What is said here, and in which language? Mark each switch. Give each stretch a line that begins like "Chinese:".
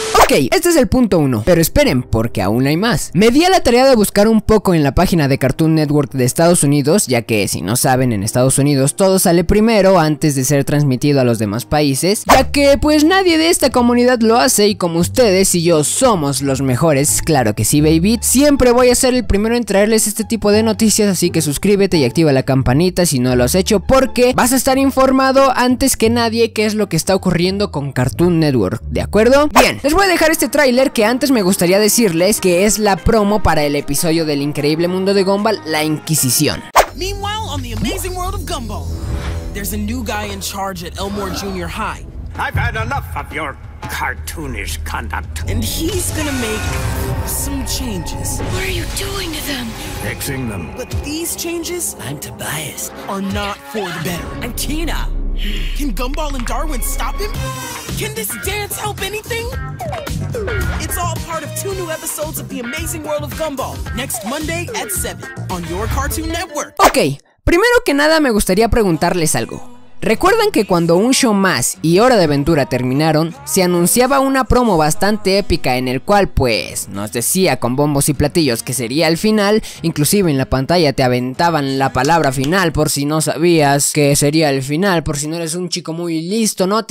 Spanish: Ok, este es el punto 1, pero esperen, porque aún hay más. Me di a la tarea de buscar un poco en la página de Cartoon Network de Estados Unidos, ya que si no saben, en Estados Unidos todo sale primero antes de ser transmitido a los demás países, ya que pues nadie de esta comunidad lo hace y como ustedes y yo somos los mejores, claro que sí, baby, siempre voy a ser el primero en traerles este tipo de noticias, así que suscríbete y activa la campanita si no lo has hecho, porque vas a estar informado antes que nadie qué es lo que está ocurriendo con Cartoon Network, ¿de acuerdo? Bien, les voy a dejar este tráiler que antes me gustaría decirles que es la promo para el episodio del increíble mundo de Gumball, La Inquisición.
English: Meanwhile, on the amazing world of Gumball, there's a new guy in charge at Elmore Junior High. I've had enough of your cartoonish conduct. And he's gonna make some changes. What are you doing to them? Fixing them. But these changes, I'm Tobias, are not for the better. I'm Tina. Can Gumball and Darwin stop him? Can this dance help anything? It's all part of two new episodes of The Amazing World of Gumball, next Monday at 7 on your Cartoon Network.
Spanish: Ok, primero que nada me gustaría preguntarles algo. ¿Recuerdan que cuando Un Show Más y Hora de Aventura terminaron, se anunciaba una promo bastante épica en el cual pues nos decía con bombos y platillos que sería el final, inclusive en la pantalla te aventaban la palabra final por si no sabías que sería el final, por si no eres un chico muy listo, ¿no?